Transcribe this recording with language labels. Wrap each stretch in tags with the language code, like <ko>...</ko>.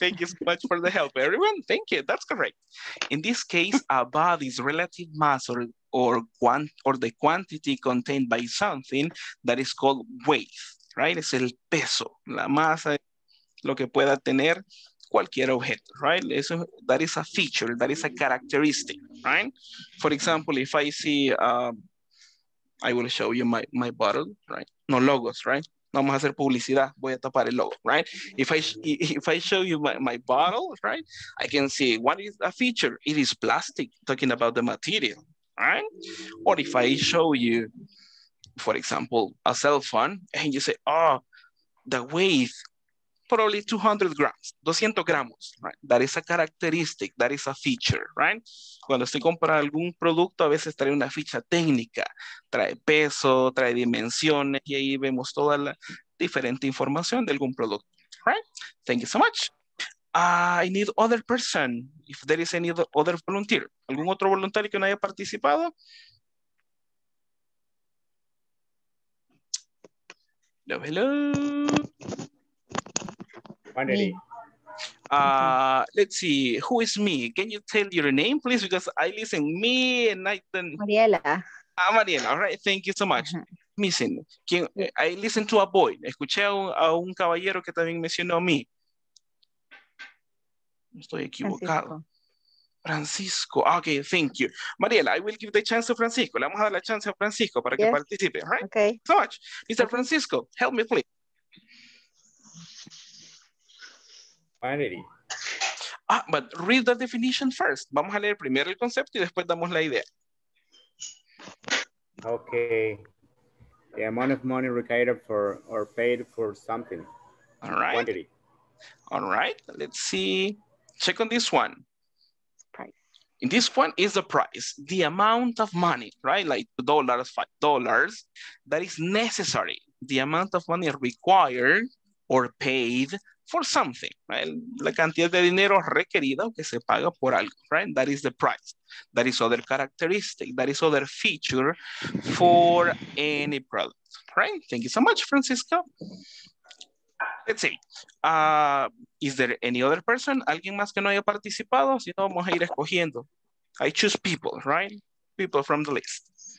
<en>Thank you so much for the help, everyone. Thank you, that's correct. In this case, a body's relative mass or the quantity contained by something that is called weight.</en> <es>Right, es el peso, la masa, lo que pueda tener cualquier objeto, right?</es> <en>Eso, that is a feature, that is a characteristic, right? For example, if I see, I will show you my bottle, right? No logos, right?</en> <es>No vamos a hacer publicidad, voy a tapar el logo, right?</es> <en>If I show you my bottle, right? I can see what is a feature. It is plastic, talking about the material, right? Or if I show you, for example, a cell phone, and you say, oh, the weight, probably 200 grams, 200 gramos, right? That is a characteristic, that is a feature, right?</en> <es>Cuando usted compra algún producto, a veces trae una ficha técnica, trae peso, trae dimensiones, y ahí vemos toda la diferente información de algún producto, right?</es> <en>Thank you so much. I need other person, if there is any other volunteer,</en> <es>algún otro voluntario que no haya participado.</es> <en>Hello, hello. Finally. Let's see, who is me? Can you tell your name, please? Because I listen, me and I then... Mariela. Ah, Mariela, all right, thank you so much. Uh-huh. Missing. I listened to a boy.</en> <es>Escuché a un caballero que también mencionó a mí. Estoy equivocado. Francisco.</es> <en>Okay, thank you. Mariela, I will give the chance to Francisco.</en> <es>Le vamos a dar la chance a Francisco para que participe,</es> <en>right? Okay. So much. Mr. Francisco, help me, please. Finally. Ah, but read the definition first.</en> <es>Vamos a leer primero el concepto y después damos la idea.</es> <en>Okay. The amount of money required for or paid for something. All right. Quantity. All right. Let's see. Check on this one. In this one is the price, the amount of money, right? Like $2, $5, that is necessary. The amount of money required or paid for something, right?</en> <es>La cantidad de dinero requerida o que se paga por algo, right?</es> <en>That is the price. That is other characteristic. That is other feature for any product, right? Thank you so much, Francisco. Let's see. Is there any other person?</en> <es>¿Alguien más que no haya participado? Si no, vamos a ir escogiendo.</es> <en>I choose people, right? People from the list.</en>